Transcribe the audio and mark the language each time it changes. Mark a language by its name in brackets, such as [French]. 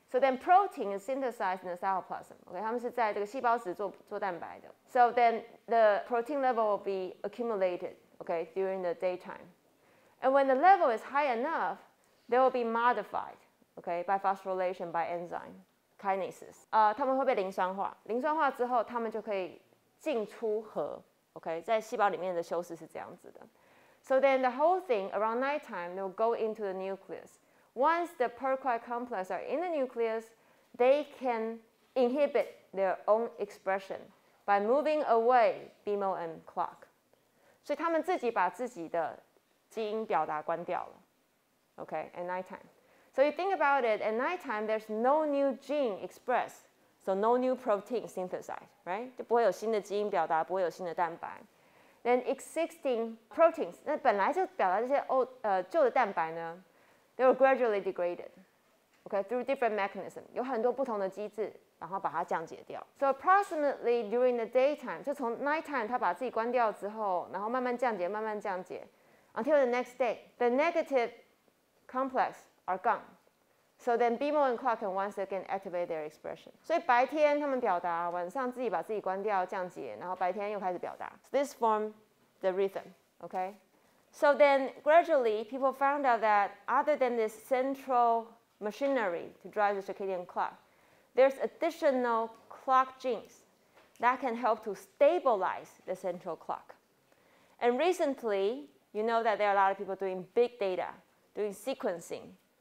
[English] So then protein is synthesized in the cytoplasm. [Chinese] Okay, 他们是在这个细胞质做蛋白的。 [English] So then the protein level will be accumulated. Okay, during the daytime. And when the level is high enough, they will be modified. Okay, by phosphorylation by enzyme kinases. [Chinese] 他们会被磷酸化。磷酸化之后，他们就可以进出核。 Okay, 在细胞里面的修饰是这样子的。 [English] So then the whole thing around nighttime they will go into the nucleus. Once the perquite complex are in the nucleus, they can inhibit their own expression by moving away BMO and clock. [Chinese] 所以他们自己把自己的基因表达关掉了。 [English] Okay, at nighttime. So you think about it, at nighttime there's no new gene expressed, so no new protein synthesized, right? [Chinese] 就不会有新的基因表达，不会有新的蛋白。 [English] Then existing proteins, [Chinese] 那本来就表达这些old, 旧的蛋白呢, [English] they were gradually degraded, okay, through different mechanisms, [Chinese] 有很多不同的机制然后把它降解掉。 [English] So approximately during the daytime, [Chinese] 就从 [English] nighttime [Chinese] 它把自己关掉之后然后慢慢降解 [English] 慢慢降解 until the next day, the negative complex are gone. So then BMO and CLA can once again activate their expression. [Chinese] 所以白天他们表达，晚上自己把自己关掉降解，然后白天又开始表达。 [English] So this form the rhythm, okay? So then gradually people found out that other than this central machinery to drive the circadian clock, there's additional clock genes that can help to stabilize the central clock. And recently, you know that there are a lot of people doing big data, doing sequencing.